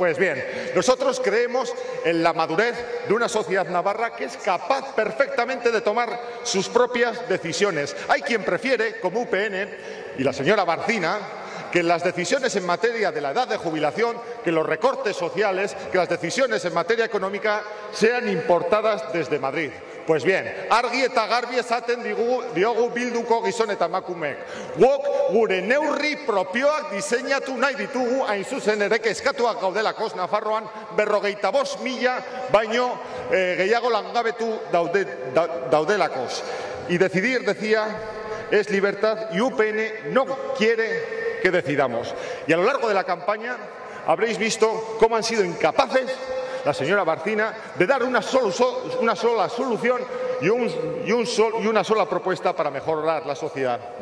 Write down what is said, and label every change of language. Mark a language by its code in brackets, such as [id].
[es] Pues bien, nosotros creemos en la madurez de una sociedad navarra que es capaz perfectamente de tomar sus propias decisiones. Hay quien prefiere, como UPN y la señora Barcina, que las decisiones en materia de la edad de jubilación, que los recortes sociales, que las decisiones en materia económica sean importadas desde Madrid. [eu] Pues bien, argi eta garbi esaten diogu bilduko gizon eta emakumeek. Guk gure neurri propioak diseinatu nahi ditugu, hain zuzen ere kezkatuak gaudelako Nafarroan 45.000 baino gehiago langabetu daudelako. [es] Y decidir, decía, es libertad y UPN no quiere que decidamos. Y a lo largo de la campaña habréis visto cómo han sido incapaces la señora Barcina de dar una sola solución y una sola propuesta para mejorar la sociedad.